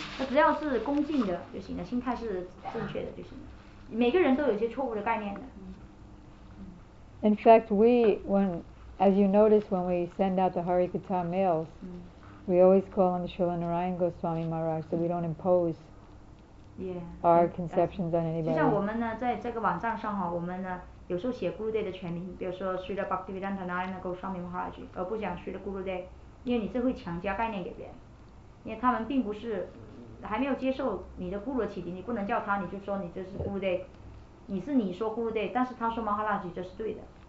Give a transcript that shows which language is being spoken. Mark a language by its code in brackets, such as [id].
[zh] 只要是恭敬的就行了，心态是正确的就行了。每个人都有些错误的概念的。 [en] In fact, as you notice, when we send out the Harikatha mails, we always call him Srila Narayan Goswami Maharaj, so we don't impose our conceptions on anybody. [zh] 就像我们呢，在这个网站上哈，我们呢。有时候写 Gurudev 的全名，比如说 Srila Bhaktivedanta Narayana Goswami Maharaj， 而不讲 Srila Gurudev， 因为你这会强加概念给别人，因为他们并不是还没有接受你的 Guru 启迪，你不能叫他，你就说你这是 Gurudev， 你是你说 Gurudev， 但是他说 Maharaj 这是对的，